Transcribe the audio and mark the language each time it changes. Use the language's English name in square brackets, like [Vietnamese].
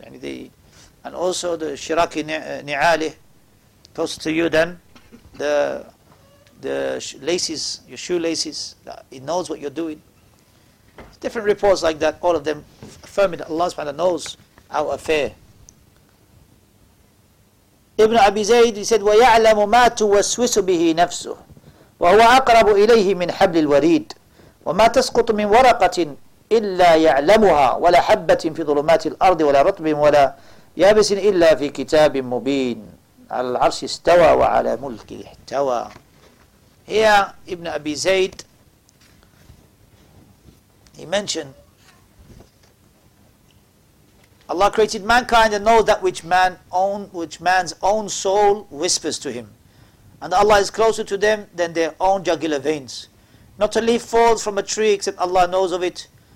[English] And also the shiraki ni'ali, closer to you than the laces, your shoelaces, that he knows what you're doing. Different reports like that, all of them affirming that Allah subhanahu wa ta'ala knows our affair. Ibn Abi Zayd, he said, [Arabic] وَيَعْلَمُ مَا تُوَسْوِسُ بِهِ نَفْسُهُ وَهُوَ أَقْرَبُ إِلَيْهِ مِنْ حَبْلِ الْوَرِيدِ وَمَا تَسْقُطُ مِنْ وَرَقَةٍ إِلَّا يَعْلَمُهَا وَلَا حَبَّةٍ فِي ظُلُمَاتِ الْأَرْضِ وَلَا رَطْبٍ وَلَا يَابِسٍ إِلَّا فِي كِتَابٍ مُبِينٍ عَلَى الْعَرْشِ اسْتَوَى وَعَلَى مُلْكِهِ اِحْتَوَى. [English] Here, Ibn Abi Zayd, he mentioned, Allah created mankind and knows that which man's own soul whispers to him. And Allah is closer to them than their own jugular veins. Not a leaf falls from a tree except Allah knows of it.